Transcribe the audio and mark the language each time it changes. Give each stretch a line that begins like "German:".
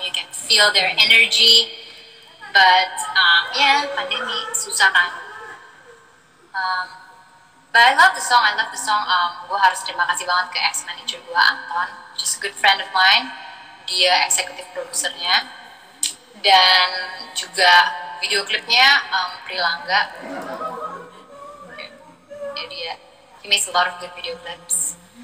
English: You can feel their energy. But, yeah,
Indonesian: pandemi, susah kan.
English: But I love the song.
Indonesian: Gue harus terima kasih banget ke ex-manager gue, Anton.
English: Just a good friend of mine.
Indonesian: Dia eksekutif produsernya. Dan juga video klipnya, Prilangga. Jadi ya,
English: he makes a lot of good video clips.